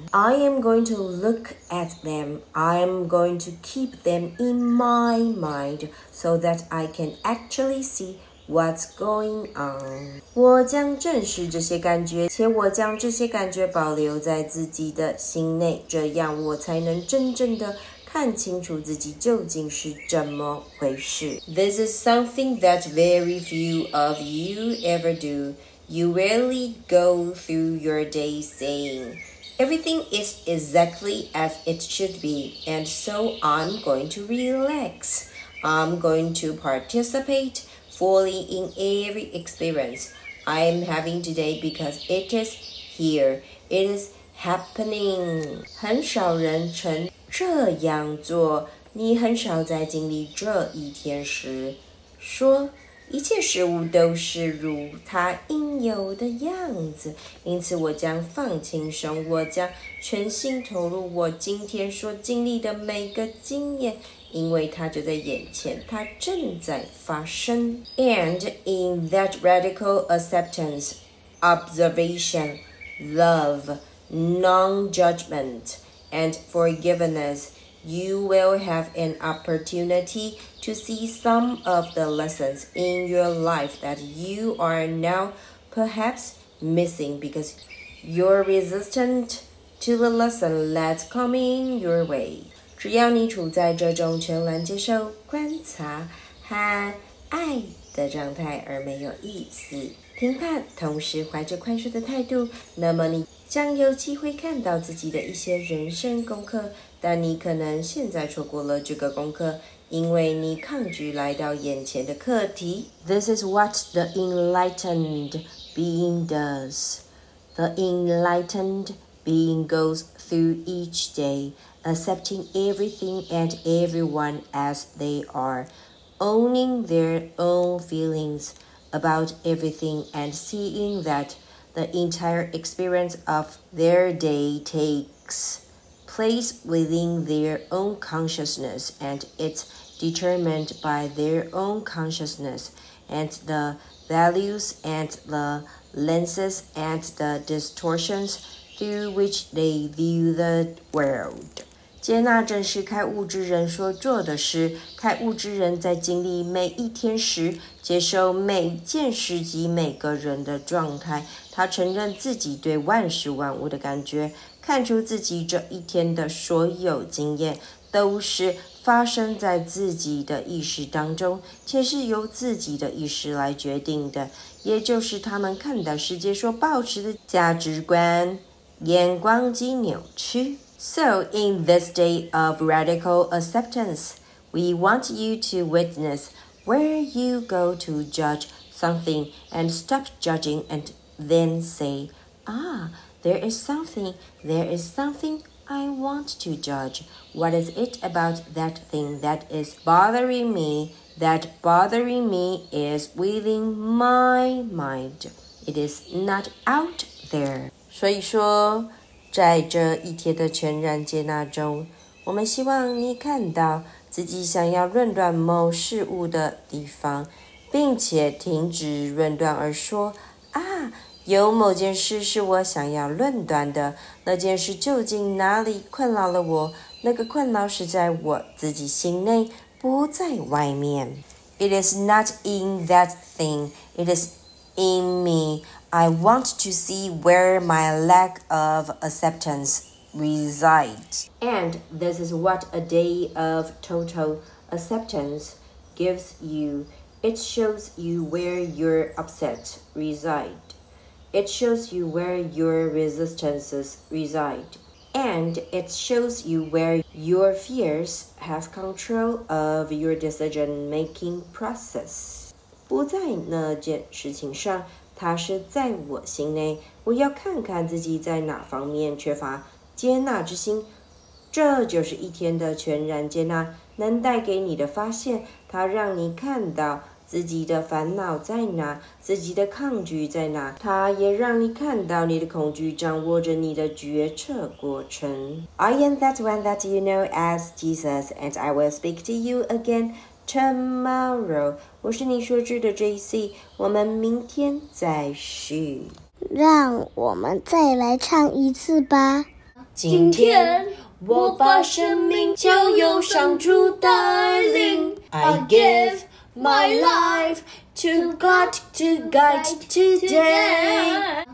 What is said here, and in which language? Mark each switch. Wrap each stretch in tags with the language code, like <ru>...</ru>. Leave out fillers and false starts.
<en>I am going to look at them. I am going to keep them in my mind so that I can actually see what's going on.</en> <zh>我将正视这些感觉，且我将这些感觉保留在自己的心内，这样我才能真正的看清楚自己究竟是怎么回事。</zh> <en>This is something that very few of you ever do. You rarely go through your day saying, everything is exactly as it should be, and so I'm going to relax. I'm going to participate fully in every experience I'm having today because it is here. It is happening.</en> <zh>很少人称这样做，你很少在经历这一天时说一切事物都是如它应有的样子，因此我将放轻松，我将全心投入我今天所经历的每个经验，因为它就在眼前，它正在发生。</zh> <en>And in that radical acceptance, observation, love, non-judgmentAnd forgiveness, you will have an opportunity to see some of the lessons in your life that you are now perhaps missing because you're resistant to the lesson that's coming your way.</en> <zh>只要你处在这种全然接受、观察和爱的状态而没有意思、评判，同时怀着宽恕的态度，那么你将有机会看到自己的一些人生功课但你可能现在错过了这个功课，因为你抗拒来到眼前的课题。</zh> <en>This is what the enlightened being does. The enlightened being goes through each day, accepting everything and everyone as they are, owning their own feelings about everything and seeing that the entire experience of their day takes place within their own consciousness and it's determined by their own consciousness and the values and the lenses and the distortions through which they view the world.</en> <zh>接纳正是开悟之人所做的事，开悟之人在经历每一天时，接受每件事及每个人的状态，他承认自己对万事万物的感觉，看出自己这一天的所有经验都是发生在自己的意识当中，且是由自己的意识来决定的，也就是他们看待世界所保持的价值观，眼光及扭曲。</zh> <en>So in this day of radical acceptance, we want you to witness where you go to judge something and stop judging and then say, ah, there is something I want to judge. What is it about that thing that is bothering me? That bothering me is within my mind. It is not out there.</en> <zh>所以说，在这一天的全然接纳中，我们希望你看到自己想要论断某事物的地方，并且停止论断而说，啊，有某件事是我想要论断的，那件事究竟哪里困扰了我？那个困扰是在我自己心内，不在外面。</zh> <en>It is not in that thing, it is in me. I want to see where my lack of acceptance resides. And this is what a day of total acceptance gives you. It shows you where your upset reside. It shows you where your resistances reside. And it shows you where your fears have control of your decision-making process.</en> <zh>不在那件事情上，它是在我心内，我要看看自己在哪方面缺乏接纳之心。这就是一天的全然接纳能带给你的发现，它让你看到自己的烦恼在哪，自己的抗拒在哪，它也让你看到你的恐惧掌握着你的决策过程。</zh> <en>I am that one that you know as Jesus, and I will speak to you againTomorrow,</en> <zh>我是你说知的 JC, 我们明天再续。让我们再来唱一次吧。今天我把生命交由上主带领。</zh> <en>I give my life to God to guide today.</en>